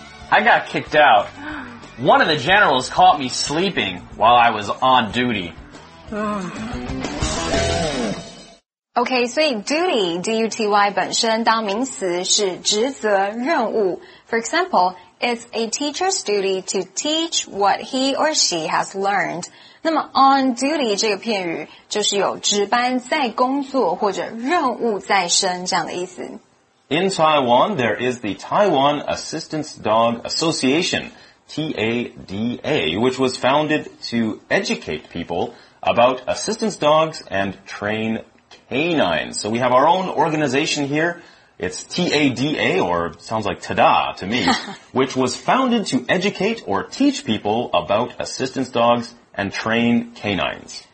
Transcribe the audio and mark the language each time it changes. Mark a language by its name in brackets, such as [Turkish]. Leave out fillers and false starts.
[English] I got kicked out. One of the generals caught me sleeping while I was on duty. [Chinese] OK, 所以 duty, D-U-T-Y 本身当名词是职责任务。 [English] For example, it's a teacher's duty to teach what he or she has learned. [Chinese] 那么 on duty 这个片语就是有值班在工作或者任务在身这样的意思。 [English] In Taiwan, there is the Taiwan Assistance Dog Association, TADA, which was founded to educate people about assistance dogs and train canines. So we have our own organization here. It's TADA, or sounds like ta-da to me, which was founded to educate or teach people about assistance dogs and train canines.